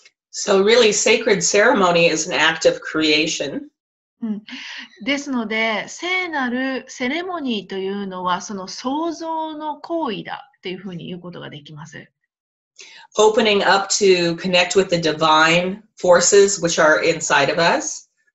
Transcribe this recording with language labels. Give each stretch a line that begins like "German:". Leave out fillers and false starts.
English: So really, sacred ceremony is an act of creation.
Japanese: ですので、聖なるセレモニーというのはその創造の行為だというふうに言うことができます。
English: Opening up to connect with the divine forces which are inside of us.